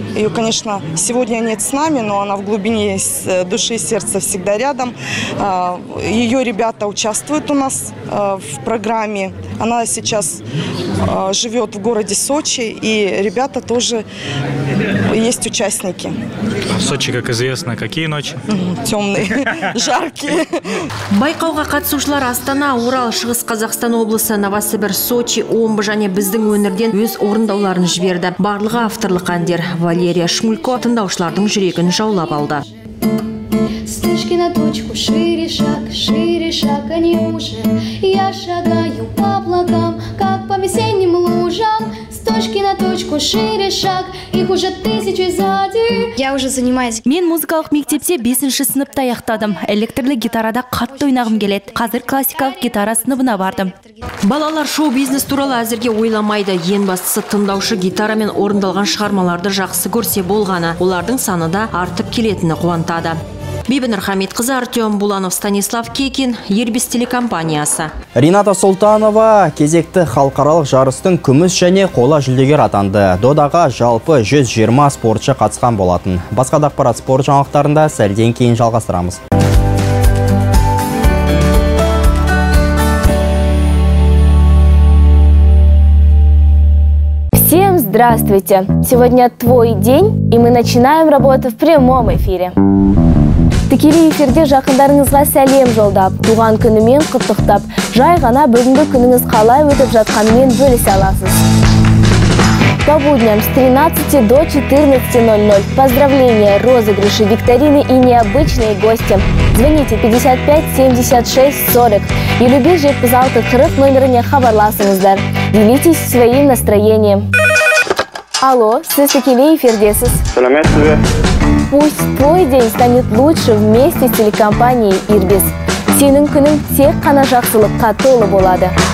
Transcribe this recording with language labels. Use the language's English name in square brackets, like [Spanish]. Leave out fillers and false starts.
[Russian] Ее, конечно, сегодня нет с нами, но она в глубине души и сердца всегда рядом. Ее ребята участвуют у нас в программе. Она сейчас живет в городе Сочи, и ребята тоже есть участники. В Сочи, как известно, какие ночи? Темные, жаркие. [Kazakh] Байқауға қатысушылар Астана, Урал, Шығыс Қазақстан облысы, Новосібір, Сочи, Омбы және біздің өңірден өз орындауларын жіберді. Барлығы авторлық әндер. Валерия Шмулько тыңдаушылардың жүрегін жаулап алды. [Russian] Стежки на точку, шире шаг, они уже. Я шагаю по благам, как по весенним лужам. Точки на точку, шире шаг, их уже тысячи сзади. Я уже занимаюсь. [Kazakh] Мен музыкалық мектепте 5-ші сыныпта аяқтадым. Электрлі гитарада қатты ойнағым келеді. Қазір классикалық гитара сыныбына бардым. Балалар шоу-бизнес туралы әзірге ойламайды. Ең бастысы тыңдаушы гитарамен орындалған шығармаларды жақсы көрсе болғаны. Олардың саны да артып келетіні қуантады. Бибинур Хамитқызы, Артем Буланов, Станислав Кекин, Ербис телекомпаниясы. Рината Султанова кезекті халқаралық жарыстың күміс және қола жүлдегер атанды. Додаға жалпы 120 спортшы қатысқан болатын. Басқа да ақпарат спорт жаңалықтарында сәлден кейін жалғастырамыз. [Russian] Здравствуйте! Сегодня твой день, и мы начинаем работу в прямом эфире. [Kazakh] Тікелей эфирде жақындарыңызға сәлем жолдап, туған күнімен құттықтап, жай ғана бүгінгі күніңіз қалай өтіп жатқанымен бөлісе аласыз. [Russian] По будням с 13 до 14.00. Поздравления, розыгрыши, викторины и необычные гости. Звоните 55 76 40. И любите же [Kazakh] пазалты хрык номерне хабарласыңыздар. [Russian] Делитесь своим настроением. [Kazakh] Алло, сіз тікелей эфирдесіз. Сәлеметсіз бе? [Russian] Пусть твой день станет лучше вместе с телекомпанией «Ирбис». [Kazakh] Сенің күнің тек қана жақсылыққа толы болады.